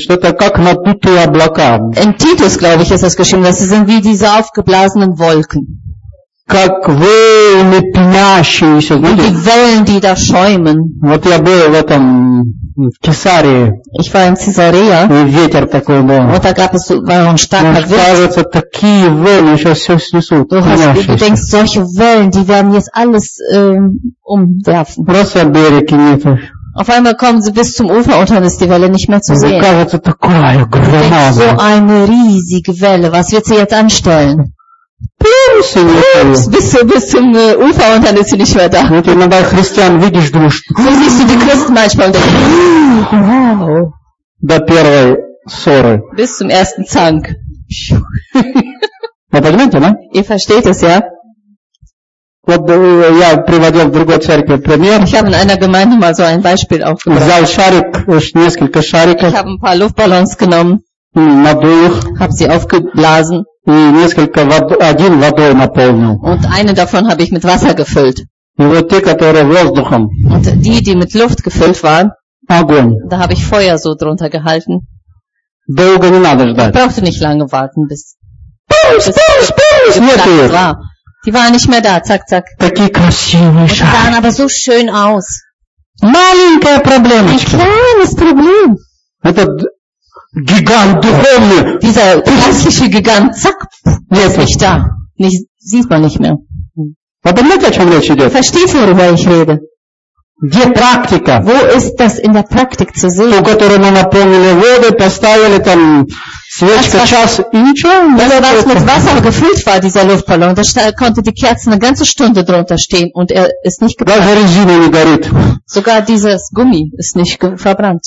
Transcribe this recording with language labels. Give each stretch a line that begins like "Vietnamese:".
German: In Titus, glaube ich, ist das geschrieben, dass sie sind wie diese aufgeblasenen Wolken.
Russian: Как волны пьянящие,
German: die Wellen, die da schäumen.
Russian: Вот я был в этом, в Кесарии.
German: Ich war in Caesarea.
Russian: И ветер такой был. Вот так, как
German: war
Russian: он
German: starker Wind.
Russian: Кажется, такие волны, сейчас все снесут.
German: Du denkst, solche Wellen, die werden jetzt alles umwerfen.
Russian: Просто береги нет.
German: Auf einmal kommen sie bis zum Ufer und dann ist die Welle nicht mehr zu sehen.
Russian: Кажется, такая громада.
German: So eine riesige Welle, was wird sie jetzt anstellen? Plumps, bis zum Ufer und dann ist sie nicht mehr da.
Russian: Вот иногда христиан видишь, думаешь,
German: so siehst du die Christen manchmal und denkst, wow.
Russian: До первой ссоры.
German: Bis zum ersten Zank.
Russian: Вы понимаете, да?
German: Ihr versteht es, ja?
Russian: Вот я приводил в другой церкви пример.
German: Ich habe in einer Gemeinde mal so ein Beispiel aufgebracht.
Russian: Взял шарик, несколько шариков.
German: Ich habe ein paar Luftballons genommen.
Russian: Надул их.
German: Hab sie aufgeblasen.
Russian: И несколько один водой наполнил.
German: Und eine davon habe ich mit Wasser gefüllt.
Russian: И вот те, которые воздухом.
German: Und die mit Luft gefüllt waren.
Russian: Огонь.
German: Da habe ich Feuer so drunter gehalten.
Russian: Долго не надо ждать.
German: Brauchte nicht lange warten, bis. Bums, bums, bums. Die waren nicht mehr da, zack, zack.
Russian: Такие красивые шарики.
German: Die sahen aber so schön aus.
Russian: Маленькое проблемочко.
German: Ein kleines Problem.
Russian: Это гигант духовный.
German: Dieser christliche Gigant, zack, ist nicht da. Sieht man nicht mehr.
Russian: Вы понимаете, о чем речь идет?
German: Verstehst du, worüber ich rede?
Russian: Где практика?
German: Wo ist das in der Praktik zu sehen?
Russian: Ту, которую мы наполнили водой, поставили там...
German: Das, was mit Wasser gefüllt war, dieser Luftballon, da konnte die Kerze eine ganze Stunde drunter stehen und er ist nicht gebrannt. Sogar dieses Gummi ist nicht verbrannt.